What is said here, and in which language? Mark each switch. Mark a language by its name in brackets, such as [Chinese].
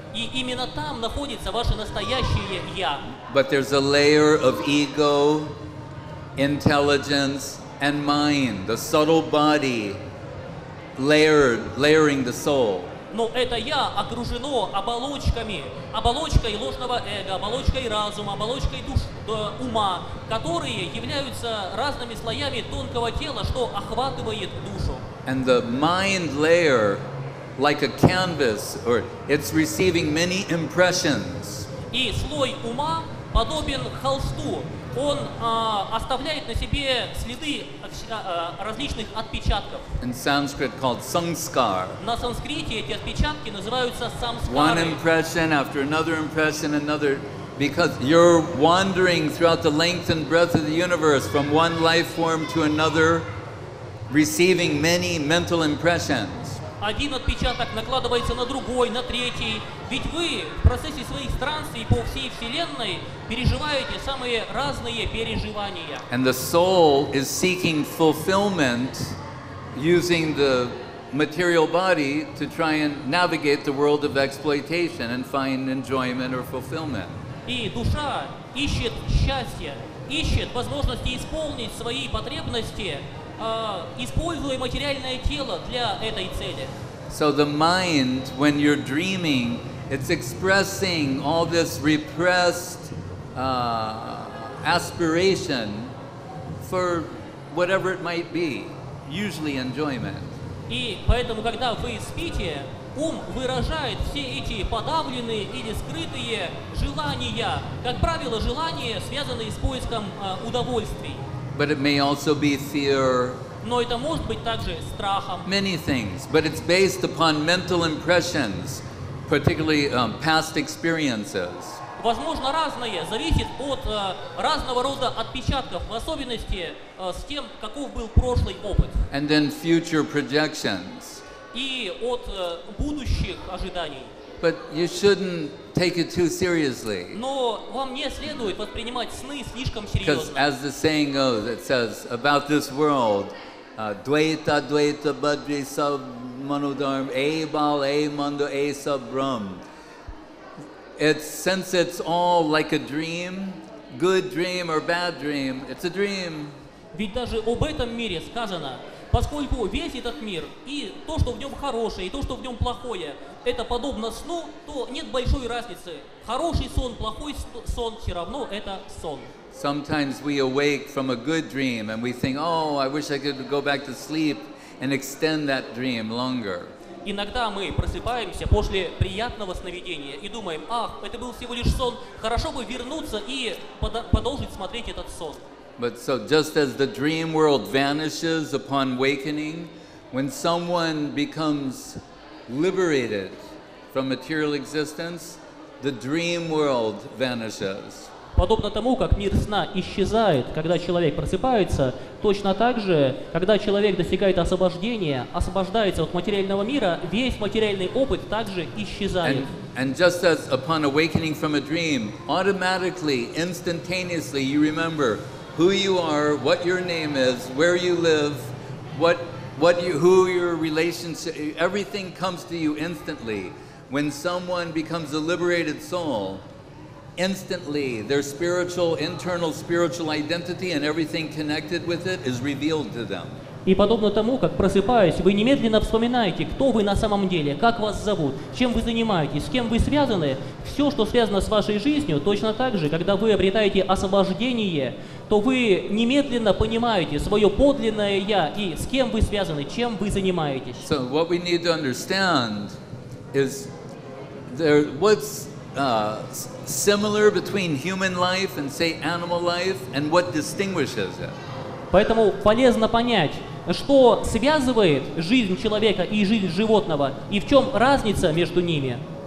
[Russian] И именно там находится ваше настоящее я. [English] But there's a layer of ego, intelligence, and mind, the subtle body, layering the soul. [Russian] Но это я окружено оболочками, оболочкой ложного эго, оболочкой разума, оболочкой душ, ума, которые являются разными слоями тонкого тела, что охватывает душу. [English] And the mind layer, like a canvas, or it's receiving many impressions. [Russian] И слой ума подобен холсту. Он оставляет на себе следы различных отпечатков. [English] In Sanskrit called sanskar. [Russian] На санскрите эти отпечатки называются самскары. [English] One impression after another impression, another, because you're wandering throughout the length and breadth of the universe from one life form to another, receiving many mental impressions. [Russian] Один отпечаток накладывается на другой, на третий. Ведь вы в процессе своих странствий по всей Вселенной переживаете самые разные переживания. [English] And the soul is seeking fulfillment using the material body to try and navigate the world of exploitation and find enjoyment or fulfillment. [Russian] И душа ищет счастье, ищет возможности исполнить свои потребности, используя материальное тело для этой цели. [English] So the mind, when you're dreaming, it's expressing all this repressed aspiration for whatever it might be, usually enjoyment. [Russian] И поэтому, когда вы спите, ум выражает все эти подавленные или скрытые желания, как правило, желания, связанные с поиском удовольствий. [English] But it may also be fear. [Russian] Но это может быть также страхом. [English] Many things, but it's based upon mental impressions, particularly past experiences. [Russian] Возможно, разное зависит от разного рода отпечатков, в особенности с тем, каков был прошлый опыт. [English] And then future projections. [Russian] И от будущих ожиданий. [English] but you shouldn't take it too seriously. [Russian] Но вам не следует воспринимать сны слишком серьезно. [English] Because as the saying goes, it says about this world, [Bangla] dvaita dvaita bhadri sab manodharm, e bal e mando e sab brahm. [English] It's, since it's all like a dream, good dream or bad dream, it's a dream. [Russian] Ведь даже об этом мире сказано, поскольку весь этот мир и то, что в нем хорошее, и то, что в нем плохое, это подобно сну, то нет большой разницы. Хороший сон, плохой сон, все равно это сон. [English] Sometimes we awake from a good dream and we think, oh, I wish I could go back to sleep and extend that dream longer. [Russian] Иногда мы просыпаемся после приятного сновидения и думаем, ах, это был всего лишь сон, хорошо бы вернуться и продолжить смотреть этот сон. [English] But so just as the dream world vanishes upon awakening, when someone becomes liberated from material existence, the dream world vanishes. [Russian] Подобно тому, как мир сна исчезает, когда человек просыпается, точно так же, когда человек достигает освобождения, освобождается от материального мира, весь материальный опыт также исчезает. [English] And just as upon awakening from a dream, automatically, instantaneously, you remember who you are, what your name is, where you live, who your relationship, everything comes to you instantly. When someone becomes a liberated soul, instantly their spiritual, internal spiritual identity and everything connected with it is revealed to them. [Russian] И подобно тому, как просыпаясь, вы немедленно вспоминаете, кто вы на самом деле, как вас зовут, чем вы занимаетесь, с кем вы связаны. Все, что связано с вашей жизнью, точно так же, когда вы обретаете освобождение, то вы немедленно понимаете свое подлинное «я» и с кем вы связаны, чем вы занимаетесь. [English] So what we need to understand is there, what's similar between human life and, say, animal life, and what distinguishes it. [Russian] Поэтому полезно понять, что связывает жизнь человека и жизнь животного, и в чем разница между ними.